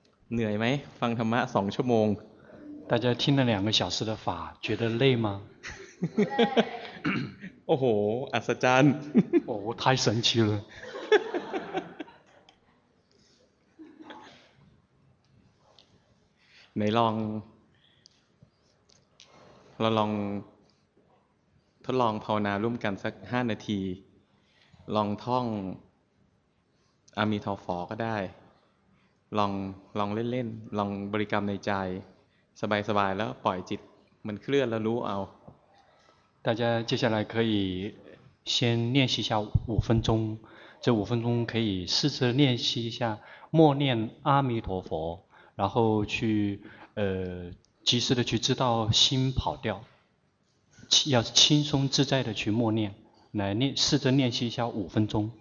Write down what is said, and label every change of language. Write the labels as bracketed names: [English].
[Thai] เหนื่อยไหมฟังธรรมะ2ชั่วโมง [Chinese] 大家听了两个小时的法，觉得累吗？ [Thai] โอ้โหอัศจรรย์ [Chinese] โอ้太神奇了 [Thai] ไหนลองเราลองทดลองภาวนาร่วมกันสัก5นาทีลองท่องอามีทอฟอก็ได้ลองเล่นๆลองบริกรรมในใจสบายๆแล้วปล่อยจิตมันเคลื่อนแล้วรู้เอา [Chinese] 大家接下来可以先练习一下五分钟，这五分钟可以试着练习一下默念阿弥陀佛，然后去及时的去知道心跑掉，要轻松自在的去默念，来练试着练习一下五分钟。